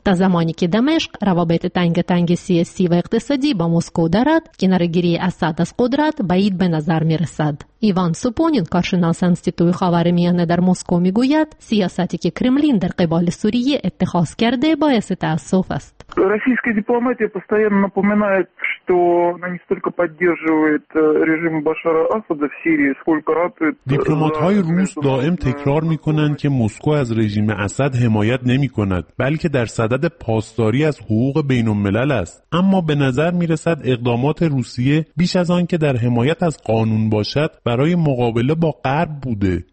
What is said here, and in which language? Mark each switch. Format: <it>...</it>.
<fa>تا زمانی که دمشق روابط تنگ سیاسی و اقتصادی با مسکو دارد، کنارگیری اسد از قدرت بعید به نظر می رسد. ایوان سوپونین، کارشناس انستیتوی خاورمیانه در مسکو، می گوید سیاستی که کرملین در قبال سوریه اتخاذ کرده باعث تأسف است.</fa> <ru>Российская дипломатия постоянно напоминает, что она не столько поддерживает режим Башара Асада в Сирии, сколько ратует. Дипломаты рус</ru> <fa>دائم تکرار میکنن که مسکو از رژیم اسد حمایت نمیکند، بلکه در صدد پاسداری از حقوق بین الملل است. اما به نظر میرسد اقدامات روسیه بیش از آن که در حمایت از قانون باشد، برای مقابله با غرب بوده.</fa>